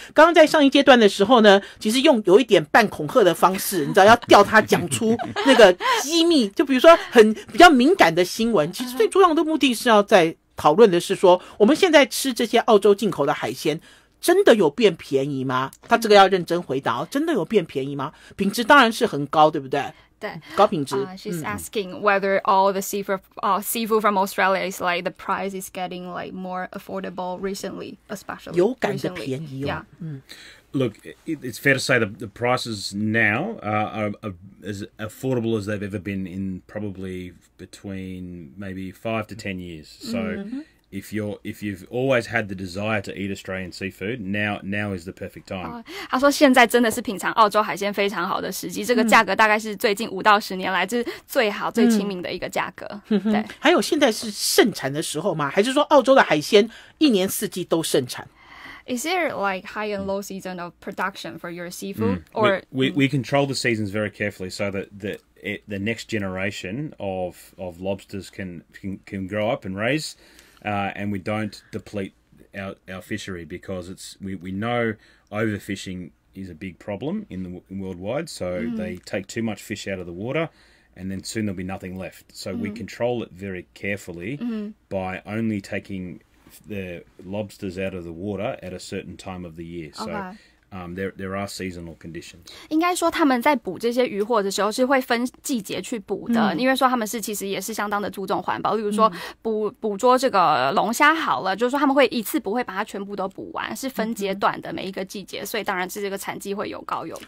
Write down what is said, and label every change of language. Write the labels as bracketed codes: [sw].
[zh] 刚刚在上一阶段的时候呢，其实用有一点半恐吓的方式，你知道要吊他讲出那个机密，就比如说很比较敏感的新闻。其实最重要的目的是要在讨论的是说，我们现在吃这些澳洲进口的海鲜真的有变便宜吗？他这个要认真回答，真的有变便宜吗？品质当然是很高，对不对？对，高品质。 [en] She's asking whether all the seafood from Australia is like the price is getting like more affordable recently, especially [zh] 有感的便宜哦。 [en] Look, it's fair to say the prices now are as affordable as they've ever been in probably between maybe 5 to 10 years. So if you've always had the desire to eat Australian seafood, now is the perfect time. [zh] 他说现在真的是品尝澳洲海鲜非常好的时机，这个价格大概是最近5到10年来就是最好最亲民的一个价格。对，还有现在是盛产的时候吗？还是说澳洲的海鲜一年四季都盛产？ [en] Is there like high and low season of production for your seafood? Or we control the seasons very carefully so that the next generation of lobsters can grow up and raise. And we don't deplete our fishery because we know overfishing is a big problem in the worldwide. So they take too much fish out of the water, and then soon there'll be nothing left. So we control it very carefully by only taking the lobsters out of the water at a certain time of the year. So there are seasonal conditions. [zh] 应该说他们在捕这些鱼货的时候是会分季节去捕的，因为说他们是其实也是相当的注重环保。例如说捕捉这个龙虾好了，就是说他们会一次不会把它全部都捕完，是分阶段的每一个季节，所以当然是这个产季会有高有低。